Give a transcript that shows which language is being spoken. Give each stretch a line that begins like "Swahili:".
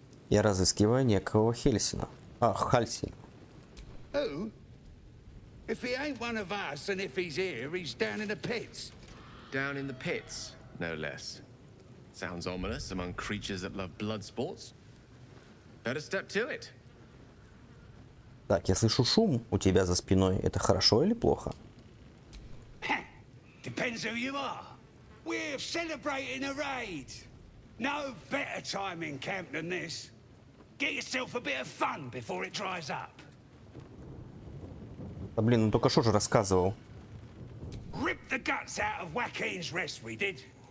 Russian: Я разыскиваю некого Хельсина. А, Хальсина.
English: Who? If he ain't one of us, and if he's here, he's down in the pits. Down in the pits, no less. Sounds ominous among creatures that love blood sports. Better step to it.
Russian: Так, я слышу шум у тебя за спиной. Это хорошо или плохо?
English: Depends who you are. We're celebrating a raid. No better time in camp than this. Get yourself a bit of fun before it dries up.
Russian: Да блин, ну только что же рассказывал.
English: Rip the guts out of Joaquin's rest, we did.